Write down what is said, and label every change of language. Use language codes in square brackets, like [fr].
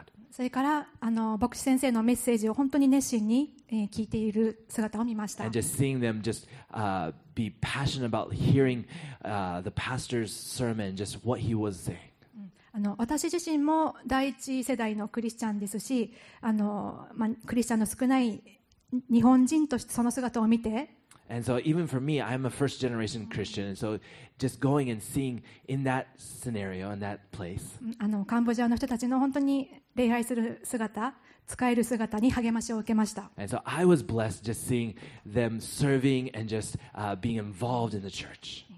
[ja] それから牧師先生のメッセージを本当に熱心に聞いている姿を見ました。 [en] And just seeing them just, be passionate about hearing, the pastor's sermon, just what he was saying. [ja] 私自身も第一世代のクリスチャンですし、クリスチャンの少ない日本人としてその姿を見て、 [en] And so even for me, I'm a first generation Christian. So just going and seeing in that scenario, in that place, [ja] カンボジアの人たちの本当に礼拝する姿、使える姿に励ましを受けました。 [en] And so I was blessed just seeing them serving and just being involved in the church.